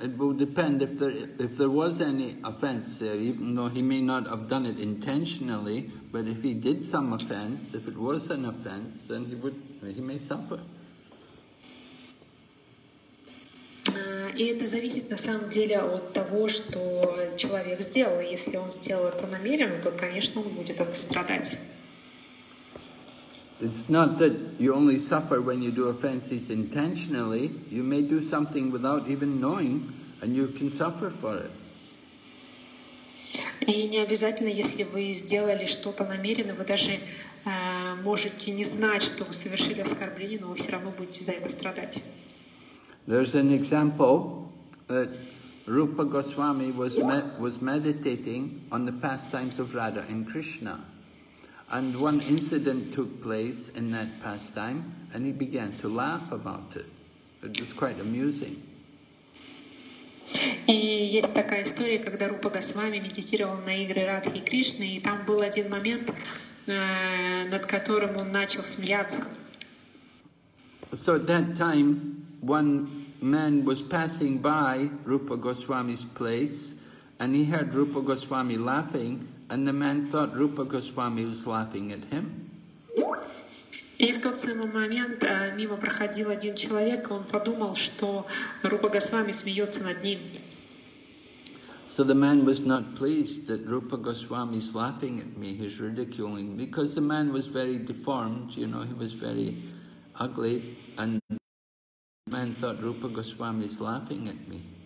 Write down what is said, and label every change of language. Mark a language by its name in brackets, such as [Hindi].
[English] It will depend if there was any offense there, even though he may not have done it intentionally. But if he did some offense, if it was an offense, then he may suffer. [Russian] И это зависит на самом деле от того, что человек сделал. Если он сделал это намеренно, то, конечно, он будет от этого страдать. [English] It's not that you only suffer when you do offenses intentionally. You may do something without even knowing, and you can suffer for it. [Russian] И не обязательно, если вы сделали что-то намеренно, вы даже можете не знать, что вы совершили оскорбление, но вы все равно будете за это страдать. [English] There's an example that Rupa Goswami was meditating on the pastimes of Radha and Krishna. And one incident took place in that pastime, and he began to laugh about it. It was quite amusing. [Russian] И есть такая история, когда Рупа Госвами медитировал на игры Радхи и Кришны, и там был один момент, над которым он начал смеяться. [English] So at that time, one man was passing by Rupa Goswami's place, and he heard Rupa Goswami laughing, and the man thought Rupa Goswami was laughing at him. [Russian] И в тот самый момент мимо проходил один человек, он подумал, что Рупа Госвами смеется над ним. [English] So the man was not pleased that Rupa Goswami is laughing at me, he's ridiculing, because the man was very deformed, you know, he was very ugly, and man thought Rupa Goswami is laughing at me.